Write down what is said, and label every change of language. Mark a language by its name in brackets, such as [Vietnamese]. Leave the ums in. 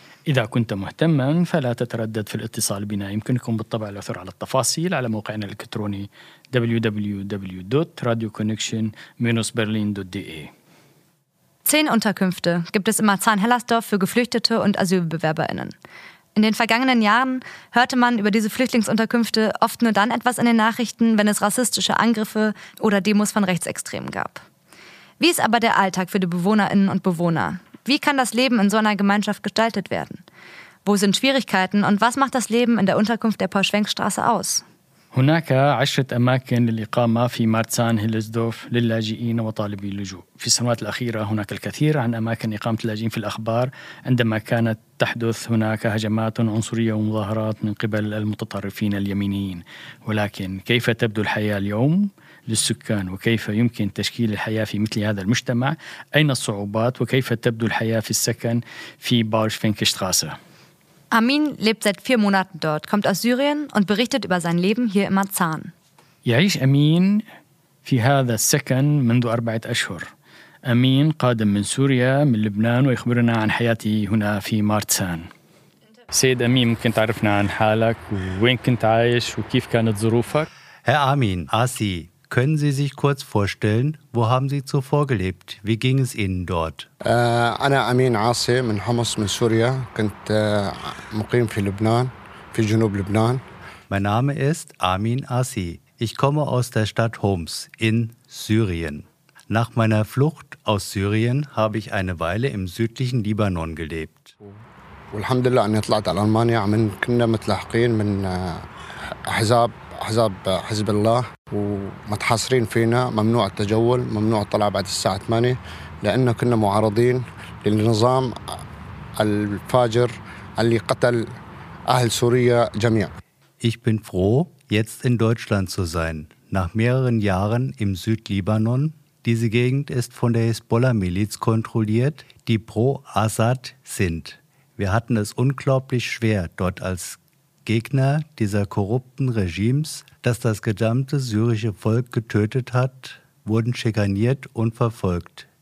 [Arabic] إذا كنت مهتما فلا تتردد في الاتصال بنا يمكنكم بالطبع العثور على التفاصيل على موقعنا الإلكتروني www.radioconnection-berlin.de [German] 10 Unterkünfte gibt es in Marzahn-Hellersdorf für Geflüchtete und AsylbewerberInnen. In den vergangenen Jahren hörte man über diese Flüchtlingsunterkünfte oft nur dann etwas in den Nachrichten, wenn es rassistische Angriffe oder Demos von Rechtsextremen gab. Wie ist aber der Alltag für die BewohnerInnen und Bewohner? Wie kann das Leben in so einer Gemeinschaft gestaltet werden? Wo sind Schwierigkeiten und was macht das Leben in der Unterkunft der Paul-Schwenk-Straße aus? [Arabic] هناك عشرة أماكن للإقامة في مارتسان هيلزدورف للاجئين وطالبي اللجوء في السنوات الأخيرة هناك الكثير عن أماكن إقامة اللاجئين في الأخبار عندما كانت تحدث هناك هجمات عنصرية ومظاهرات من قبل المتطرفين اليمينيين ولكن كيف تبدو الحياة اليوم للسكان وكيف يمكن تشكيل الحياة في مثل هذا المجتمع أين الصعوبات وكيف تبدو الحياة في السكن في باولشفينكشتراسة [German] Amin lebt seit vier Monaten dort, kommt aus Syrien und berichtet über sein Leben hier in Marzahn. [Arabic] يعيش أمين في هذا السكن منذ أربعة أشهر أمين قادم من سوريا من لبنان ويخبرنا عن حياته هنا في مارتسان سيد أمين ممكن تعرفنا عن حالك وين كنت عايش وكيف كانت ظروفك [German] Herr Armin, Asi, können Sie sich kurz vorstellen, wo haben Sie zuvor gelebt? Wie ging es Ihnen dort? [Arabic] آه، أنا أمين عاصي من حمص من سوريا كنت آه، مقيم في لبنان في جنوب لبنان [German] Mein Name ist Armin Asi. Ich komme aus der Stadt Homs in Syrien. Nach meiner Flucht aus Syrien habe ich eine Weile im südlichen Libanon gelebt. [Arabic] والحمد لله أني طلعت على ألمانيا عم كنا متلاحقين من آه، أحزاب أحزاب آه، حزب الله ومتحاصرين فينا ممنوع التجول ممنوع الطلعة بعد الساعة 8 لأنه كنا معارضين للنظام الفاجر اللي قتل أهل سوريا جميع [German] Ich bin froh, jetzt in Deutschland zu sein. Nach mehreren Jahren im Südlibanon. Diese Gegend ist von der Hisbollah-Miliz kontrolliert, die pro Assad sind. Wir hatten es unglaublich schwer, dort als Gegner dieser korrupten Regimes, das das gesamte syrische Volk getötet hat, wurden schikaniert und verfolgt.